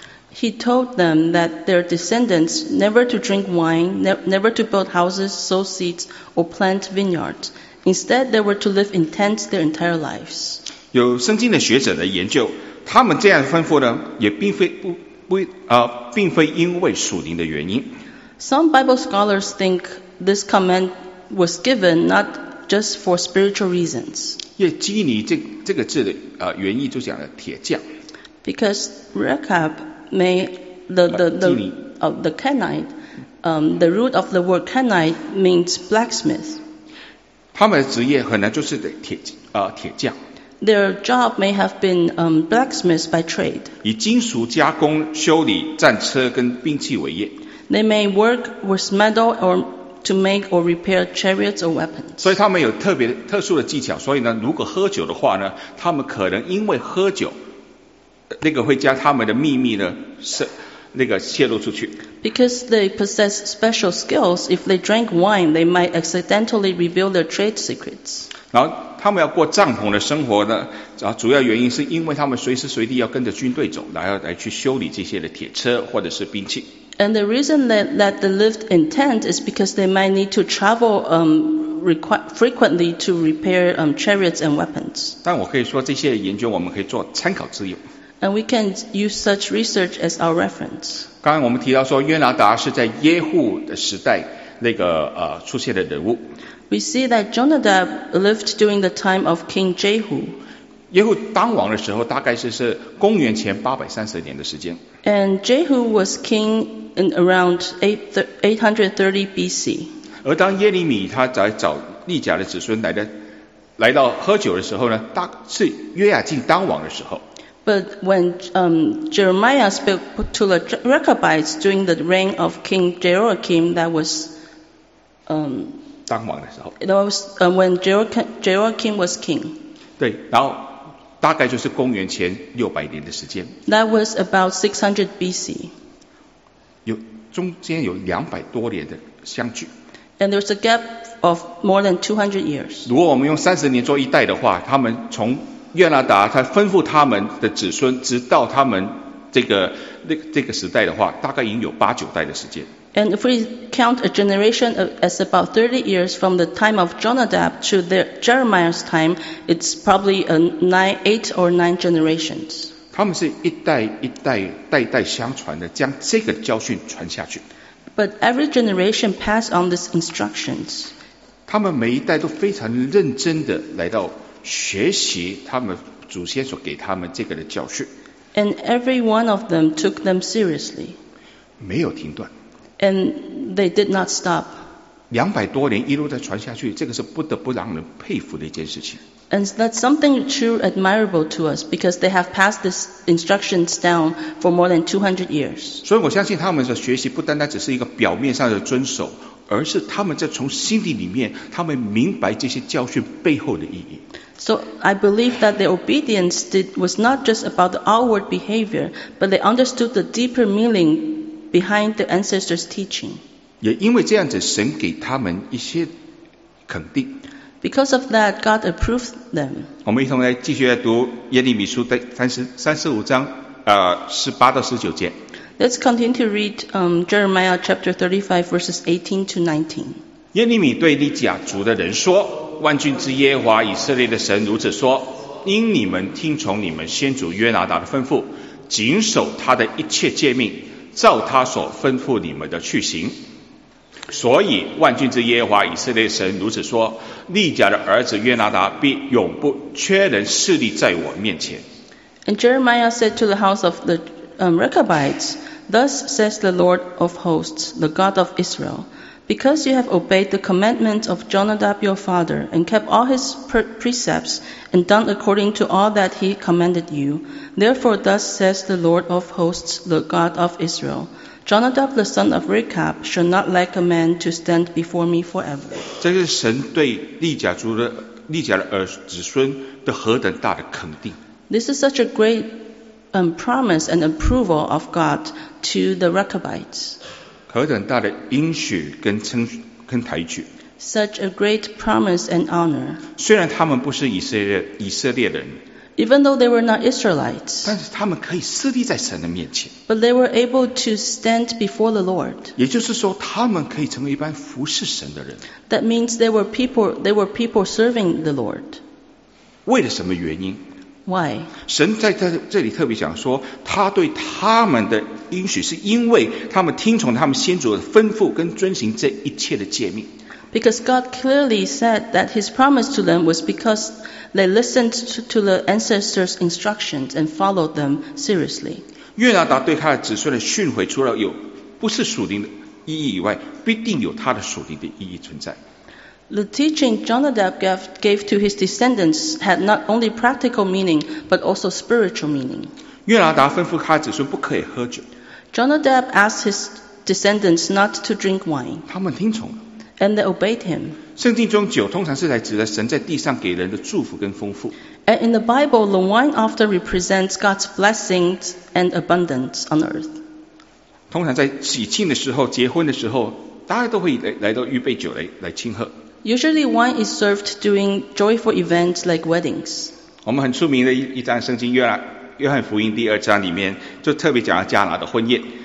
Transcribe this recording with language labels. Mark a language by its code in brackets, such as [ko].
[en] He told them that their descendants never to drink wine, never to build houses, sow seeds, or plant vineyards. Instead, they were to live in tents their entire lives. [zh] 有圣经的学者的研究，他们这样吩咐呢，也并非因为属灵的原因。 [en] Some Bible scholars think this command was given not just for spiritual reasons. [zh] 耶基尼这个字的原意就讲了铁匠。 [en] Because Rechab may the Kenite, the root of the word Kenite means blacksmith. [zh] 他们的职业可能就是铁匠。 [en] Their job may have been blacksmiths by trade. [zh] 以金属加工、修理战车跟兵器为业。 [en] They may work with metal or to make or repair chariots or weapons. [zh] 所以他们有特殊的技巧，所以呢，如果喝酒的话呢，他们可能因为喝酒，那个会将他们的秘密呢，泄露出去。 [en] Because they possess special skills, if they drank wine, they might accidentally reveal their trade secrets. [zh] 然后他们要过帐篷的生活呢，主要原因是因为他们随时随地要跟着军队走，来去修理这些的铁车或者是兵器。 [en] And the reason that they lived in tents is because they might need to travel frequently to repair chariots and weapons. [zh] 但我可以说这些研究我们可以做参考之用。 [en] And we can use such research as our reference. [zh] 刚刚我们提到说约拿达是在耶户的时代出现的人物。 [en] We see that Jonadab lived during the time of King Jehu. [zh] 耶户当王的时候大概是公元前830年的时间。 [en] And Jehu was king in around 830 BC. [zh] 而当耶利米他在找利甲的子孙来到喝酒的时候呢，是约雅敬当王的时候。 [en] But when Jeremiah spoke to the Rechabites during the reign of King Jehoiakim, that was [zh] 当王的时候。 [en] That was when Jehoiakim was king. [zh] 对，然后大概就是公元前600年的时间。 [en] That was about 600 BC. [zh] 中间有200多年的相距。 [en] And there's a gap of more than 200 years. [zh] 如果我们用30年做一代的话，他们从约拿达他吩咐他们的子孙，直到他们这个时代的话，大概已经有八九代的时间。 [en] And if we count a generation as about 30 years from the time of Jonadab to Jeremiah's time, it's probably eight or nine generations. [zh] 他们是一代一代代代相传的，将这个教训传下去。 [en] But every generation passed on these instructions. [zh] 他们每一代都非常认真地来到学习他们祖先所给他们这个的教训。 [en] And every one of them took them seriously. [zh] 没有停断。 [en] And they did not stop. [zh] 200多年一路在传下去，这个是不得不让人佩服的一件事情。 [en] And that's something true admirable to us because they have passed this instructions down for more than 200 years. [zh] 所以我相信他们的学习不单单只是一个表面上的遵守，而是他们在从心底里面，他们明白这些教训背后的意义。 [en] So I believe that their obedience was not just about the outward behavior, but they understood the deeper meaning behind the ancestors' teaching. [zh] 也因为这样子，神给他们一些肯定。 [en] Because of that, God approved them. [zh] 我们一同来继续来读耶利米书第35章18-19节。 [en] Let's continue to read Jeremiah chapter 35 verses 18 to 19. [zh] 耶利米对利甲族的人说，万军之耶和华以色列的神如此说，因你们听从你们先祖约拿达的吩咐，谨守他的一切诫命，照他所吩咐你们的去行。所以万军之耶和华以色列神如此说，利甲的儿子约拿达必永不缺人势力在我面前。 [en] And Jeremiah said to the house of the Rechabites, Thus says the Lord of hosts, the God of Israel, Because you have obeyed the commandment of Jonadab your father, and kept all his precepts, and done according to all that he commanded you, therefore thus says the Lord of hosts, the God of Israel, Jonadab the son of Rechab shall not lack a man to stand before me forever. [zh] 这是神对利甲的儿子孙的何等大的肯定。 [en] This is such a great promise and approval of God to the Rechabites. [zh] 何等大的应许跟抬举。 [en] Such a great promise and honor. [zh] 虽然他们不是以色列人。 [en] Even though they were not Israelites. [zh] 但是他们可以势立在神的面前。 [en] But they were able to stand before the Lord. [zh] 也就是说他们可以成为一般服侍神的人。 [en] That means they were people serving the Lord. [zh] 为了什么原因？ [en] Why? [zh] 神在这里特别讲说，他对他们的应许是因为他们听从他们先祖的吩咐跟遵行这一切的诫命。 [en] Because God clearly said that his promise to them was because they listened to the ancestors' instructions and followed them seriously. [zh] 约拿达对他的子孙的训诲除了有不是属灵的意义以外，必定有他的属灵的意义存在。 [en] The teaching Jonadab gave to his descendants had not only practical meaning, but also spiritual meaning. [zh] 约拿达吩咐他子孙不可以喝酒。 [en] Jonadab asked his descendants not to drink wine. [zh] 他们听从了。 [en] And they obeyed him. [zh] 圣经中酒通常是来指的神在地上给人的祝福跟丰富。 [en] And in the Bible, the wine often represents God's blessings and abundance on earth. [zh] 通常在喜庆的时候，结婚的时候，大家都会 来到预备酒来庆贺。 [en] Usually wine is served during joyful events like weddings. [zh] 我们很出名的一章圣经约翰福音第二章里面就特别讲到迦拿的婚宴。